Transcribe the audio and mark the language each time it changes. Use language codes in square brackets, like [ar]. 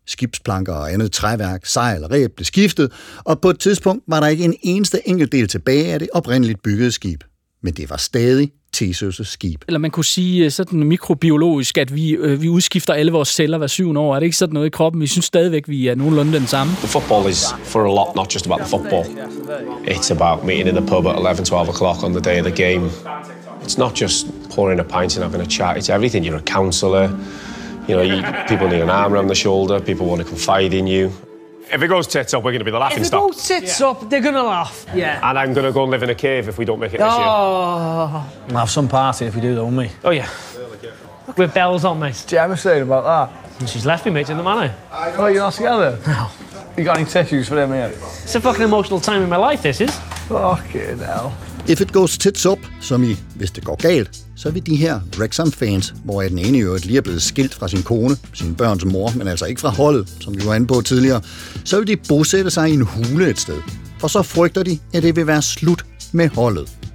[da] Skibsplanker og andet træværk, sejl og reb blev skiftet, og på et tidspunkt var der ikke en eneste enkelt del tilbage af det oprindeligt byggede skib. Men det var stadig Theseus' skib. Eller man kunne sige sådan mikrobiologisk, at vi udskifter alle vores celler hver 7. år. Er det ikke sådan noget i kroppen? Vi synes stadigvæk, vi er nogenlunde den samme. [en] The football is for a lot not just about the football. It's about meeting in the pub at 11-12 o'clock on the day of the game. It's not just pouring a pint and having a chat. It's everything. You're a counselor. You know, people need an arm around the shoulder. People want to confide in you. If it goes tits up, we're going to be the laughing stock. If it goes tits up, they're going to laugh. Yeah. And I'm going to go and live in a cave if we don't make it this year. We'll have some party if we do, though, won't we? Oh, yeah. Okay. With bells on, mate. Gemma's saying about that. And she's left me, mate, in the manor. Oh, you're not together? No. You got any tissues for them here? It's a fucking emotional time in my life, this is. Fucking hell. If it goes tits up, [da] som i, hvis det går galt, så vil de her Wrexham-fans, hvor den ene i øvrigt lige er blevet skilt fra sin kone, sin børns mor, men altså ikke fra holdet, som vi var inde på tidligere, så vil de bosætte sig i en hule et sted. For så frygter de, at det vil være slut med holdet.